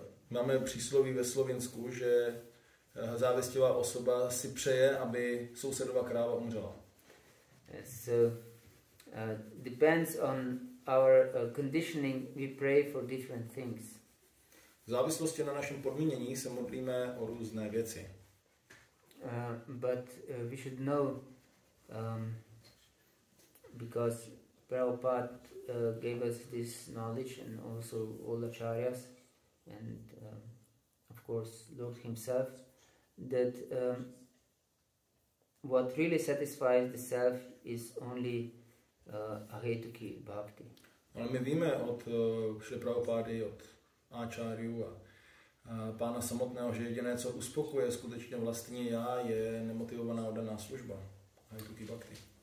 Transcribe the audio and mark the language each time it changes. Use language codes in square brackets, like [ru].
[cs] Máme přísloví ve Slovensku, že závistivá osoba si přeje, aby sousedova kráva umřela. [en] So depends on our conditioning, we pray for different things. [cs] V závislosti na našem podmínění se modlíme o různé věci. [en] But we should know because Prabhupada gave us this knowledge and also all acharyas and of course Lord himself, that what really satisfies the self is only ahetuki bhakti. [cs] Ale my víme od Šri Prabhupády, od Ačáriů a pána samotného, že jediné, co uspokuje skutečně vlastní já, je nemotivovaná oddaná služba ahetuki bhakti.